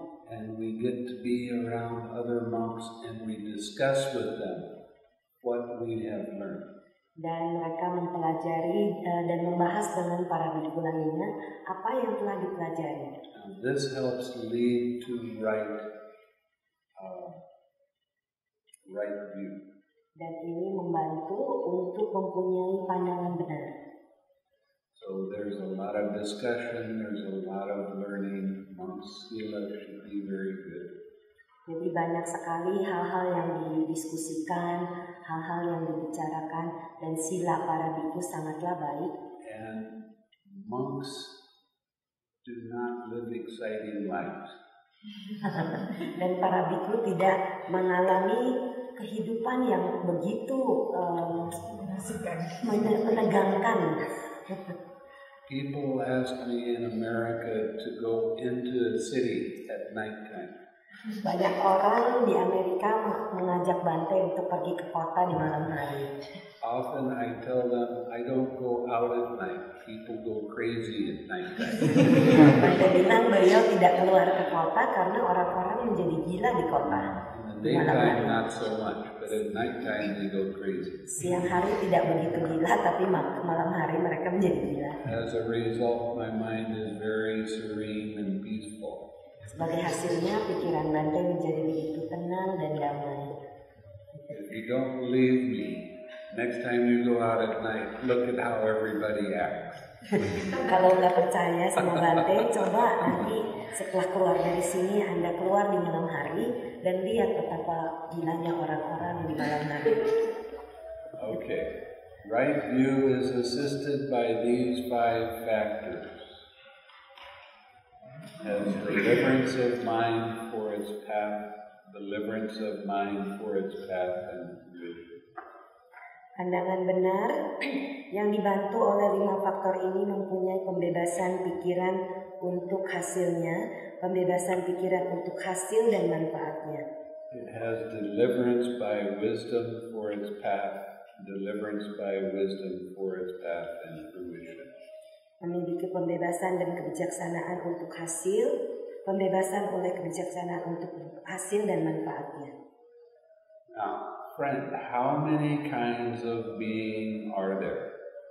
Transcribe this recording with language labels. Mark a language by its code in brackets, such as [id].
[en] And we get to be around other monks and we discuss with them what we have learned. [id] Dan mereka mempelajari dan membahas dengan para biku lainnya apa yang telah dipelajari. [en] This helps lead to right view. [id] Dan ini membantu untuk mempunyai pandangan benar. [en] So there's a lot of discussion, there's a lot of learning. Monk's sila should be very good. [id] Jadi banyak sekali hal-hal yang didiskusikan, hal-hal yang dibicarakan, dan sila para biku sangatlah baik. [en] And monks do not live exciting lives. [id] Dan para biku tidak mengalami kehidupan yang begitu menegangkan. [en] People ask me in America to go into a city at night time. [id] Banyak orang di Amerika mengajak Bante untuk pergi ke kota di malam hari. [en] Often I tell them I don't go out at night. People go crazy at night. [id] Bante bilang beliau tidak keluar ke kota karena orang-orang menjadi gila di kota. [en] In the daytime not so much, but at nighttime they go crazy. [id] Siang hari tidak begitu gila, tapi malam hari mereka menjadi gila. [en] As a result, my mind is very serene and peaceful. [id] Sebagai hasilnya, pikiran Bante menjadi begitu tenang dan damai. [en] If you don't believe me, next time you go out at night, look at how everybody acts. [id] Kalau nggak percaya sama Bante, coba nanti setelah keluar dari sini, Anda keluar di malam hari dan lihat betapa gilanya orang-orang di malam hari. [en] Okay, right view is assisted by these five factors. As deliverance of mind for its path, deliverance of mind for its path and vision. [id] Pandangan benar yang dibantu oleh lima faktor ini mempunyai pembebasan pikiran untuk hasilnya, pembebasan pikiran untuk hasil dan manfaatnya. [en] It has deliverance by wisdom for its path, deliverance by wisdom for its path and fruition. [id] Memiliki pembebasan dan kebijaksanaan untuk hasil, pembebasan oleh kebijaksanaan untuk hasil dan manfaatnya. [en] Now, friend, how many kinds of being are there?